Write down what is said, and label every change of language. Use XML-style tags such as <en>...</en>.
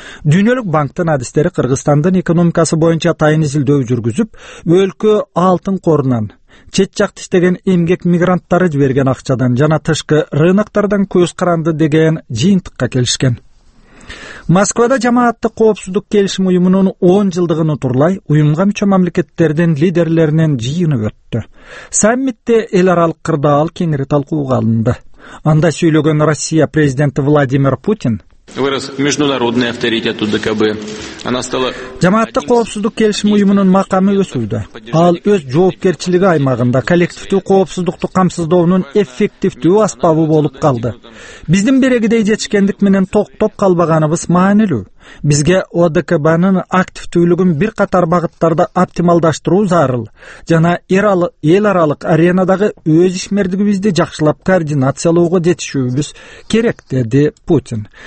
<ky>Дүйнөлүк банктын адистери Кыргызстандын экономикасы боюнча тайын изилдөө жүргүзүп, өлкө алтын корунан чет жакта иштеген эмгек мигранттары жиберген акчадан жана тышкы рыноктардан көз каранды деген жыйынтыкка келишкен. Москвада жамааттык коопсуздук келишим уюмунун 10 жылдыгын утурлай уюмга мүчө мамлекеттердин лидерлеринин жыйыны өттү. Саммитте эл аралык кырдаал кеңири талкууга алынды. Анда сүйлөгөн Россия президенти Владимир Путин</ky> <ru>вырос международный авторитет УДКБ. Она стала</ru> <ky>жамааттык коопсуздук келишим уюмунун макамы өсүлдү. Ал өз жоопкерчилиги аймагында коллективдүү коопсуздукту камсыздоонун эффективдүү аспабы болуп калды. Биздин берегидей жетишкендик менен токтоп калбаганыбыз маанилүү. Бизге ОДКБнын активдүүлүгүн бир катар багыттарда оптималдаштыруу зарыл жана эл аралык аренадагы өз ишмердигибизди жакшылап координациялоого жетишүүбүз керек, деди Путин.</ky>